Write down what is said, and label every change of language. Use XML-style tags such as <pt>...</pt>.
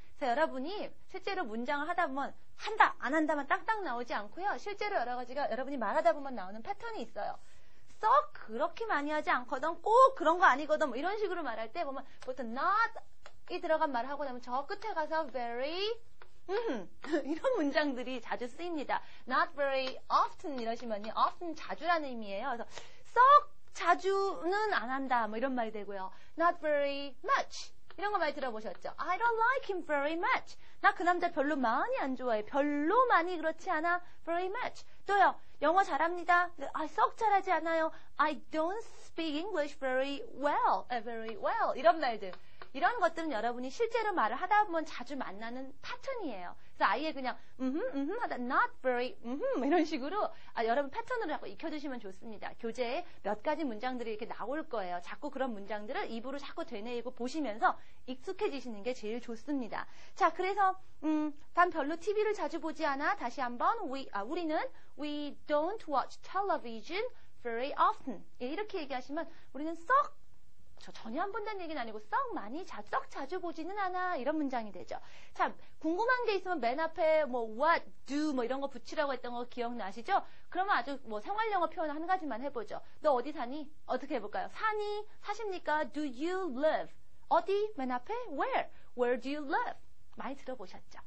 <ko>자, 여러분이 실제로 문장을 하다 보면 한다, 안 한다만 딱딱 나오지 않고요. 실제로 여러 가지가 여러분이 말하다 보면 나오는 패턴이 있어요. 썩 그렇게 많이 하지 않거든, 꼭 그런 거 아니거든, 뭐 이런 식으로 말할 때 보면 보통 not이 들어간 말을 하고 나면 저 끝에 가서 very 이런 문장들이 자주 쓰입니다.</ko> <en>Not very often</en> <ko>이러시면 often 자주라는 의미예요. 그래서 썩 자주는 안 한다 뭐 이런 말이 되고요.</ko> <en>Not very much</en> <ko>이런 거 많이 들어보셨죠?</ko> <en>I don't like him very much.</en> <ko>나 그 남자 별로 많이 안 좋아해. 별로 많이 그렇지 않아?</ko> <en>Very much.</en> <ko>또요. 영어 잘합니다. 아, 썩 잘하지 않아요.</ko> <en>I don't speak English very well.</en> <ko>Very well. 이런 말들. 이런 것들은 여러분이 실제로 말을 하다 보면 자주 만나는 패턴이에요. 그래서 아예 그냥 하다 not very 이런 식으로 여러분 패턴으로 자꾸 익혀두시면 좋습니다. 교재에 몇 가지 문장들이 이렇게 나올 거예요. 자꾸 그런 문장들을 입으로 자꾸 되뇌이고 보시면서 익숙해지시는 게 제일 좋습니다. 자, 그래서 단 별로 TV를 자주 보지 않아. 다시 한번 우리는</ko> <en>we don't watch television very often.</en> <ko>예, 이렇게 얘기하시면 우리는 썩 저 전혀 안 본다는 얘기는 아니고 썩 자주 보지는 않아 이런 문장이 되죠. 자, 궁금한 게 있으면 맨 앞에 뭐 what, do 뭐 이런 거 붙이라고 했던 거 기억나시죠? 그러면 아주 뭐 생활영어 표현 한 가지만 해보죠. 너 어디 사니? 어떻게 해볼까요? 사니? 사십니까?</ko> <en>Do you live?</en> <ko>어디? 맨 앞에? Where?</ko> <en>Where do you live?</en> <ko>많이 들어보셨죠?</ko>